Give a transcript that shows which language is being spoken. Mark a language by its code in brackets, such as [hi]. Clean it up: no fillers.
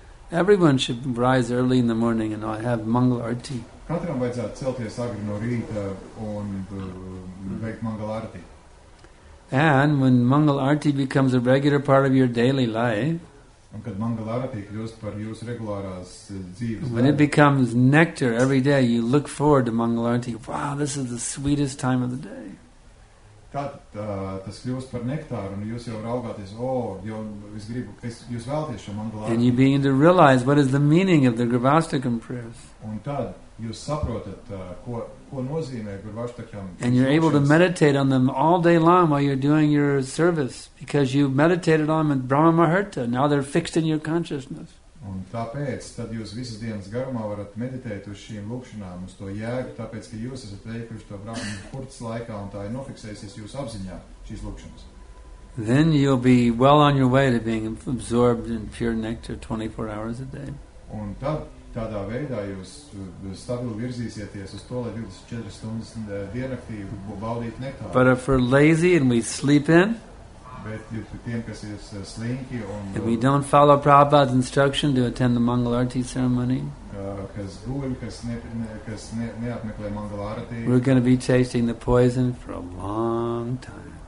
[en] Everyone should rise early in the morning and have Mangal Arati. [lv] Katram vajadzētu celties agri no rīta un veikt Mangal Arati. [en] And when Mangal Arati becomes a regular part of your daily life, [lv] Un kad Mangala Arati kļūst par jūsu regulārās dzīves [en] When it becomes nectar every day, you look forward to Mangala Arati. Wow, this is the sweetest time of the day. [lv] Tad tas kļūst par nektāru, un jūs jau raugāties, jo es gribu, jūs vēlties šo Mangala Arati. [en] And you begin to realize what is the meaning of the Gravastakam prayers. [lv] Un tad jūs saprotat, ko nozīmē Gravastakam. [en] And you're able to meditate on them all day long while you're doing your service, because you meditated on them in Brahma Muhurta. Now they're fixed in your consciousness. [lv] Un tāpēc, tad jūs visas dienas garumā varat meditēt uz šīm lūkšanām, uz to jēgu, tāpēc, ka jūs esat veikuši to Brahma Muhurta laikā, un tā ir nofiksējusies jūsu apziņā šīs lūkšanas. [en] Then you'll be well on your way to being absorbed in pure nectar 24 hours a day. [lv] Un tad, Tādā veidā jūs stabili virzīsieties uz to, lai 24 stundas diennaktī baudītu nektāru. [en] But if we're lazy and we sleep in, [lv] bet jūs tiem, kas ir slinki, un, [en] if we don't follow Prabhupada's instruction to attend the Mangala Arati ceremony, [lv] kas guļ, neapmeklē Mangala Arati, [en] we're going to be tasting the poison for a long time.